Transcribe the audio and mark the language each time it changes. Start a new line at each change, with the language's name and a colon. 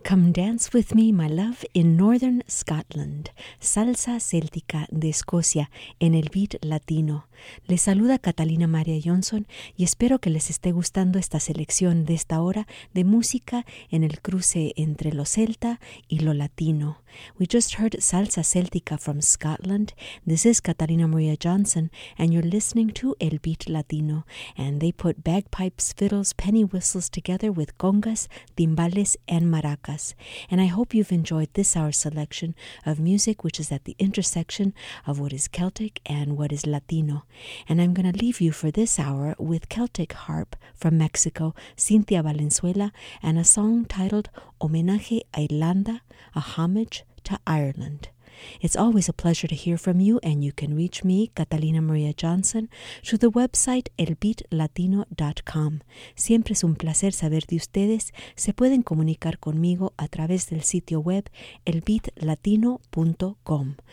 English: Dance with me, my love, in Northern Scotland.
Spanish: Salsa céltica de Escocia en el beat latino. Les saluda Catalina María Johnson y espero que les esté gustando esta selección de esta hora de música en el cruce entre lo celta y lo latino.
English: We just heard salsa céltica from Scotland. This is Catalina María Johnson and you're listening to El Beat Latino. And they put bagpipes, fiddles, penny whistles together with congas, timbales and maracas. And I hope you've enjoyed this hour's selection of music which is at the intersection of what is Celtic and what is Latino. And I'm going to leave you for this hour with Celtic harp from Mexico, Cynthia Valenzuela, and a song titled Homenaje a Irlanda, a homage to Ireland. It's always a pleasure to hear from you, and you can reach me, Catalina Maria Johnson, through the website elbeatlatino.com.
Spanish: Siempre es un placer saber de ustedes. Se pueden comunicar conmigo a través del sitio web elbeatlatino.com.